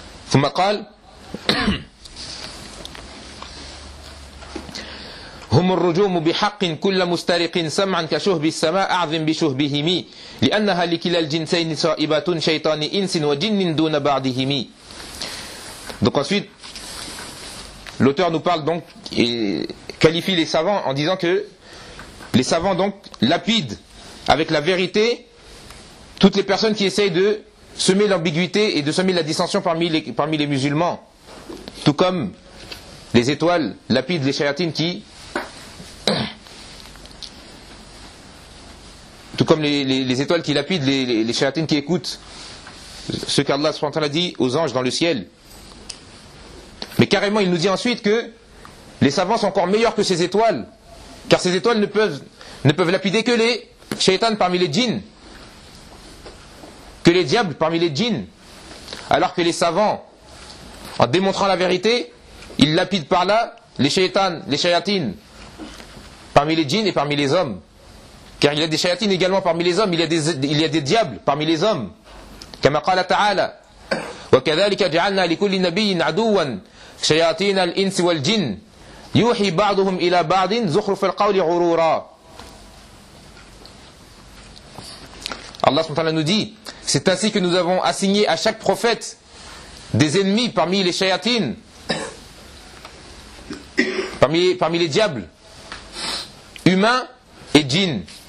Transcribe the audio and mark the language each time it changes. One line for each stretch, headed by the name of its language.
Arabic: ثم قال هم الرجوم بحق كل مسترق سمعا كشهب السماء أعظم بشهبهم لأنها لكلا الجنسين صائبة شيطان إنس وجن دون بعضهم.
French: Donc ensuite, l'auteur nous parle donc et qualifie les savants en disant que les savants donc lapident avec la vérité toutes les personnes qui essayent de semer l'ambiguïté et de semer la dissension parmi les musulmans, tout comme les étoiles lapides, les shayatines qui tout comme les étoiles qui lapident les shayatines qui écoutent ce qu'Allah subhanahu wa ta'ala dit aux anges dans le ciel. Mais carrément il nous dit ensuite que les savants sont encore meilleurs que ces étoiles, car ces étoiles ne peuvent lapider que les shaytan parmi les djinns, que les diables parmi les djinns, alors que les savants, en démontrant la vérité, ils lapident par là les shaytan, les shayatines, parmi les djinns et parmi les hommes. Car il y a des shayatines également parmi les hommes, il y a des diables parmi les hommes.
Arabic: Comme قال تعالى وكذلك جعلنا لكل نبي عدوا شياطين الإنس والجن يوحي بعضهم إلى بعض زخرف القول غرورا.
French: Allah nous dit, c'est ainsi que nous avons assigné à chaque prophète des ennemis parmi les shayatines, parmi les diables, humains et djinns.